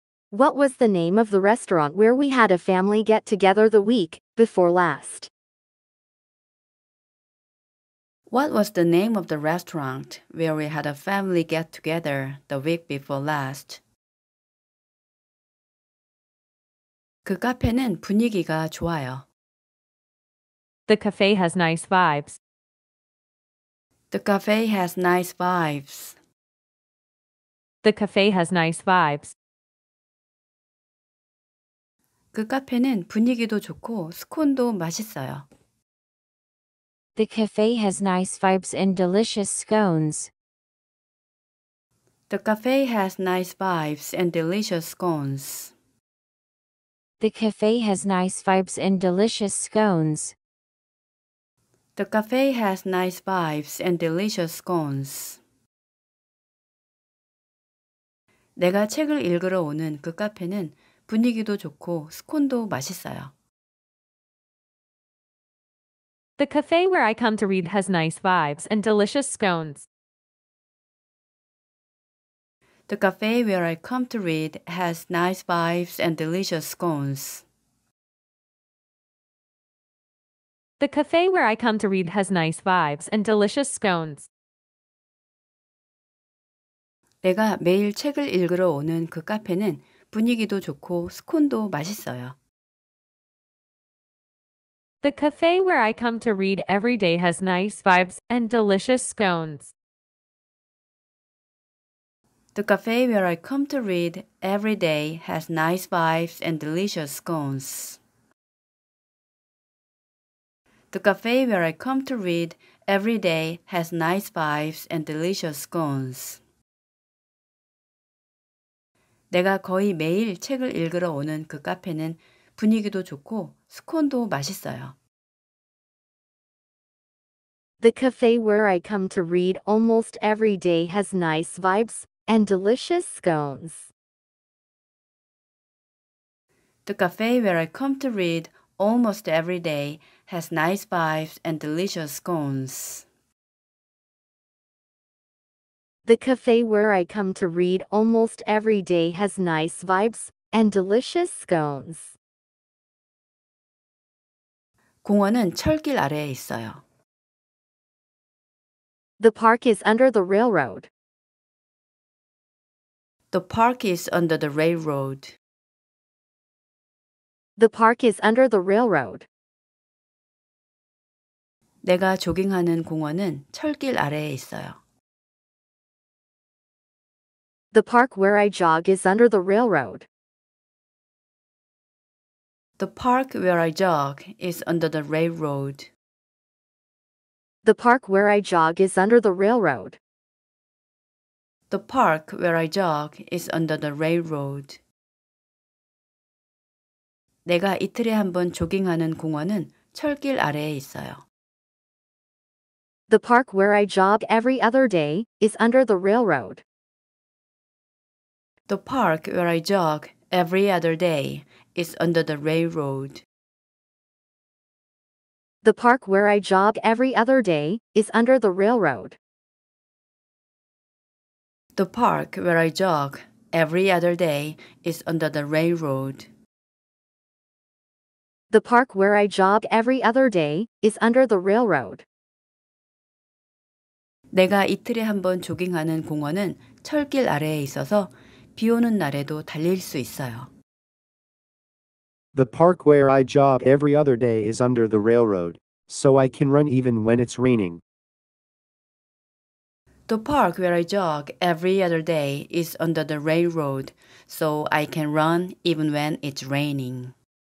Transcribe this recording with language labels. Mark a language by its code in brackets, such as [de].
[en] What was the name of the restaurant where we had a family get together the week before last? What was the name of the restaurant where we had a family get together the week before last? [ko] 그 카페는 분위기가 좋아요. [en] The cafe has nice vibes. The cafe has nice vibes. The cafe has nice vibes. [ko] 그 카페는 분위기도 좋고 스콘도 맛있어요. [en] The cafe has nice vibes and delicious scones. The cafe has nice vibes and delicious scones. The cafe has nice vibes and delicious scones. The cafe has nice vibes and delicious scones. [ko] 내가 책을 읽으러 오는 그 카페는 분위기도 좋고 스콘도 맛있어요. [en] The cafe where I come to read has nice vibes and delicious scones. The cafe where I come to read has nice vibes and delicious scones. The cafe where I come to read has nice vibes and delicious scones. [ko] 내가 매일 책을 읽으러 오는 그 카페는 분위기도 좋고 스콘도 맛있어요. [en] The cafe where I come to read every day has nice vibes and delicious scones. The cafe where I come to read every day has nice vibes and delicious scones. The cafe where I come to read every day has nice vibes and delicious scones. [ko] 내가 거의 매일 책을 읽으러 오는 그 카페는 분위기도 좋고 스콘도 맛있어요. [en] The cafe where I come to read almost every day has nice vibes and delicious scones. The cafe where I come to read almost every day has nice vibes and delicious scones. The cafe where I come to read almost every day has nice vibes and delicious scones. [ko] 공원은 철길 아래에 있어요. [en] The park is under the railroad. The park is under the railroad. The park is under the railroad. [ko] 내가 조깅하는 공원은 철길 아래에 있어요. [en] The park where I jog is under the railroad. The park where I jog is under the railroad. The park where I jog is under the railroad. The park where I jog is under the railroad. [ko] 내가 이틀에 한 번 조깅하는 공원은 철길 아래에 있어요. [en] The park where I jog every other day is under the railroad. The park where I jog every other day is under the railroad. The park where I jog every other day is under the railroad. The park where I jog every other day is under the railroad. The park where I jog every other day is under the railroad. [ko] 내가 이틀에 한 번 조깅하는 공원은 철길 아래에 있어서 비 오는 날에도 달릴 수 있어요. [en] The park where I jog every other day is under the railroad. So I can run even when it's raining. The park where I jog every other day is under the railroad, so I can run even when it's raining.